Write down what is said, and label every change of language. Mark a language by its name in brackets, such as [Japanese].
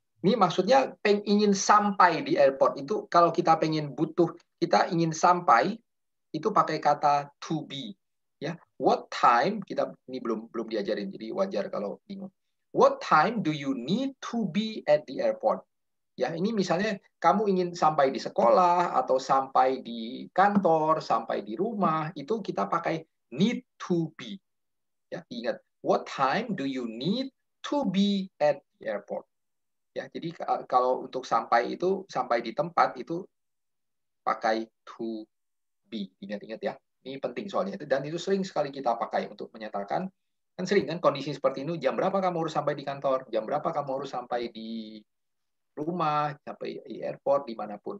[Indonesian] Ini maksudnya ingin sampai di airport. Itu kalau kita pengen butuh, kita ingin sampai, itu pakai kata to be. Ya. [English] What time, [Indonesian] kita ini belum diajarin, jadi wajar kalau bingung. [English] What time do you need to be at the airport? [Indonesian] Ya, ini misalnya kamu ingin sampai di sekolah, atau sampai di kantor, sampai di rumah, itu kita pakai [English] need to be. [Indonesian] Ya, ingat, [English] what time do you need to be at the airport? [Indonesian] Ya, jadi kalau untuk sampai itu, sampai di tempat itu pakai to be. Ingat-ingat ya, ini penting soalnya. Dan itu sering sekali kita pakai untuk menyatakan, kan sering kan kondisi seperti ini, jam berapa kamu harus sampai di kantor, jam berapa kamu harus sampai di rumah, sampai di airport, dimanapun.